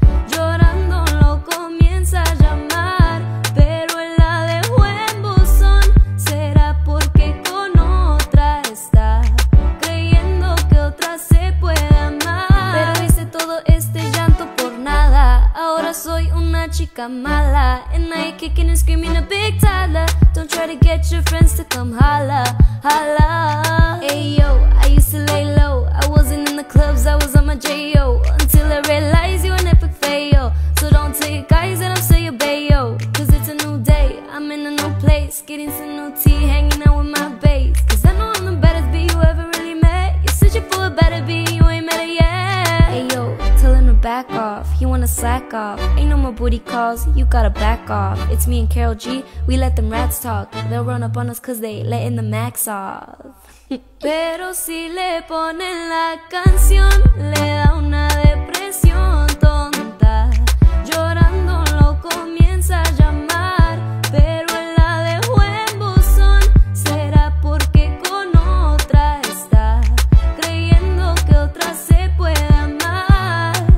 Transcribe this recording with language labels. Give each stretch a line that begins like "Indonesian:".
Spanish: Llorando lo comienza a llamar, pero él la dejó en buzón. Será porque con otra está, creyendo que otra se puede amar. Pero hice todo este llanto por nada, ahora soy una chica mala.
English: Kicking and screaming a big toddler. Don't try to get your friends to come holla, holla. Ayo, I used to lay low. I wasn't in the clubs, I was on my J-O. Until I realized you an epic fail. So don't tell your guys that I'm still your bae-o. 'Cause it's a new day, I'm in a new place. Getting some new tea, hanging out with my bae. 'Cause I know I'm the baddest bae you ever really met. You're searching for a better bae, you ain't met her yet. Ayo, telling her back off, he wanna slack off. Ain't no more booty calls, you gotta back off. It's me and Carol G, we let them rats talk. They'll run up on us 'cause they letting the max off.
Spanish: Pero si le ponen la canción, le da una depresión tonta. Llorando lo comienza a llamar, pero él la dejó en buzón. Será porque con otra está, creyendo que otra se puede amar.